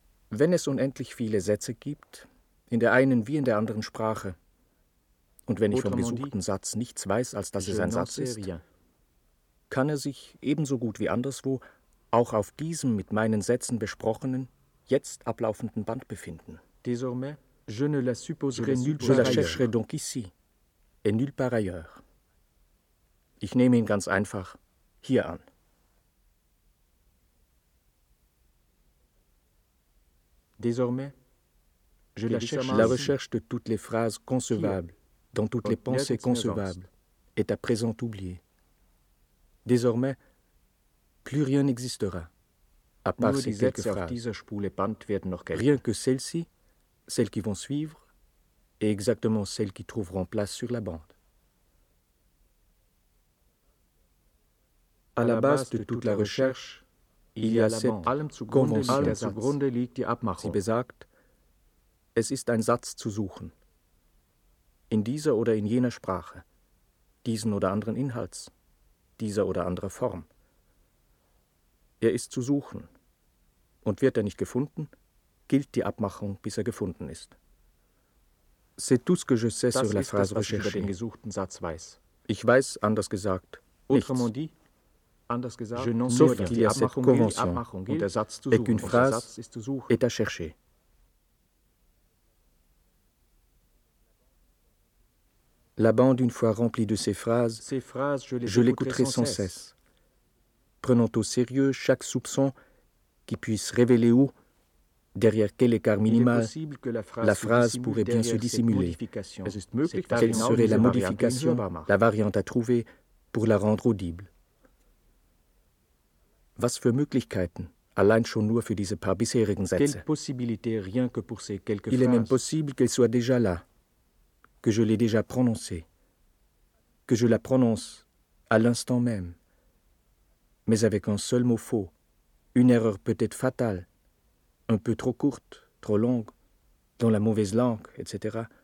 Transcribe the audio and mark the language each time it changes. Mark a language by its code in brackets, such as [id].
[de] Wenn es unendlich viele Sätze gibt, in der einen wie in der anderen Sprache, und wenn ich vom gesuchten Satz nichts weiß, als dass es ein Satz ist, kann er sich ebenso gut wie anderswo auch auf diesem mit meinen Sätzen besprochenen, jetzt ablaufenden Band befinden. [fr] Désormais, je ne la supposerai nulle part ailleurs. Je la chercherai donc ici, et nulle part ailleurs. [de] Ich nehme ihn ganz einfach hier an. [fr] Désormais, je la chercherai. La recherche de toutes les phrases concevables. Dans toutes les pensées concevables, est à présent oublié. Désormais, plus rien n'existera, à part ces quelques phrases. Rien que celles-ci, celles qui vont suivre, et exactement celles qui trouveront place sur la bande. À la base de toute la recherche, il y a cette convention. [de] Sie besagt, es ist ein Satz zu suchen. In dieser oder in jener Sprache, diesen oder anderen Inhalts, dieser oder anderer Form. Er ist zu suchen. Und wird er nicht gefunden, gilt die Abmachung, bis er gefunden ist. [fr] C'est tout ce que je sais sur la phrase recherchée. [de] Das ist das, was ich über den gesuchten Satz weiß. Ich weiß, anders gesagt, nichts. Anders gesagt, [fr] je n'en sais rien. Sauf, [de] die Abmachung gilt, die Abmachung gilt. Und der Satz zu suchen. [fr] Et qu'une phrase est à chercher. La bande, une fois remplie de ces phrases je l'écouterai sans cesse, prenant au sérieux chaque soupçon qui puisse révéler où, Derrière quel écart minimal, la phrase pourrait bien se dissimuler. Quelle serait la modification, la variante à trouver pour la rendre audible? [de] Was für Möglichkeiten, allein schon nur für diese paar bisherigen Sätze? [fr] Il est même possible qu'elle soit déjà là, que je l'ai déjà prononcée, que je la prononce à l'instant même, mais avec un seul mot faux, une erreur peut-être fatale, un peu trop courte, trop longue, dans la mauvaise langue, etc.